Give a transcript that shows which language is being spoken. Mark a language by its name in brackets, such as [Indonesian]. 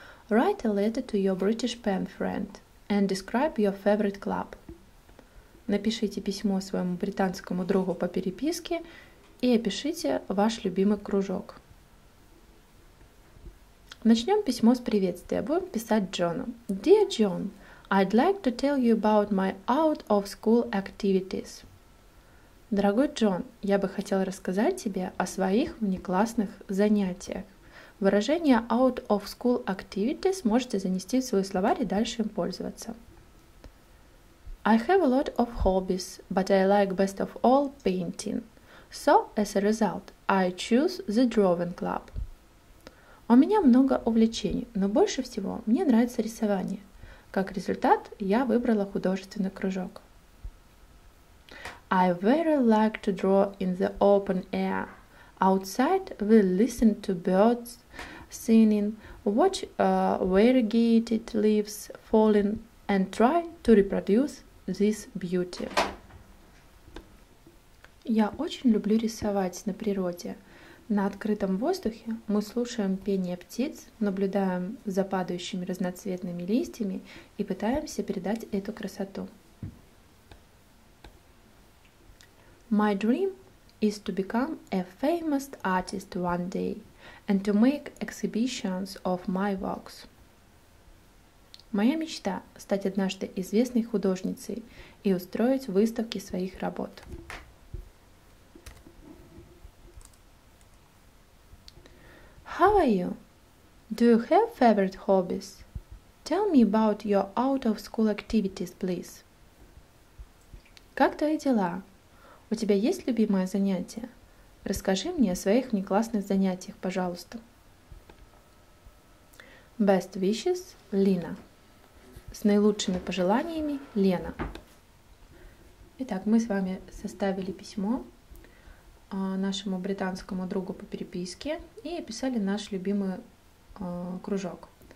[English] Write a letter to your British pen friend and describe your favorite club. [Russian] Напишите письмо своему британскому другу по переписке и опишите ваш любимый кружок. Начнем письмо с приветствия. Будем писать Джону. [English] Dear John, I'd like to tell you about my out-of-school activities. [Russian] Дорогой Джон, я бы хотел рассказать тебе о своих внеклассных занятиях. Выражение out of school activities можете занести в свой словарь и дальше им пользоваться. [English] I have a lot of hobbies, but I like best of all painting. So, as a result, I choose the drawing club. [Russian] У меня много увлечений, но больше всего мне нравится рисование. Как результат, я выбрала художественный кружок. [English] I very like to draw in the open air. Outside we listen to birds singing, watch variegated leaves falling and try to reproduce this beauty. [Russian] Я очень люблю рисовать на природе. На открытом воздухе мы слушаем пение птиц, наблюдаем за падающими разноцветными листьями и пытаемся передать эту красоту. [English] My dream is to become a famous artist one day and to make exhibitions of my works. [Russian] Моя мечта – стать однажды известной художницей и устроить выставки своих работ. [English] How are you? Do you have favorite hobbies? Tell me about your out-of-school activities, please. [Russian] Как твои дела? У тебя есть любимое занятие? Расскажи мне о своих внеклассных занятиях, пожалуйста. [English] Best wishes, Lena. [Russian] С наилучшими пожеланиями, Лена. Итак, мы с вами составили письмо нашему британскому другу по переписке и описали наш любимый кружок.